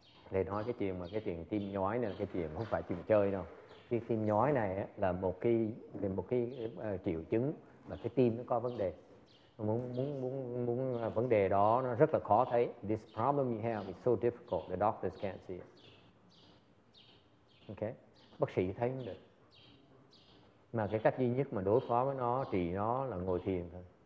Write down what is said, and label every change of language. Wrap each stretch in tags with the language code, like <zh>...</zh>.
<vi>Thầy nói cái chuyện mà cái chuyện tim nhói này là cái chuyện không phải chuyện chơi đâu. Cái tim nhói này là một cái triệu chứng mà cái tim nó có vấn đề. Muốn vấn đề đó nó rất là khó thấy.</vi> <en>This problem you have is so difficult the doctors can't see it.</en> <vi>Okay? Bác sĩ thấy không được. Mà cái cách duy nhất mà đối phó với nó, trị nó là ngồi thiền thôi.</vi>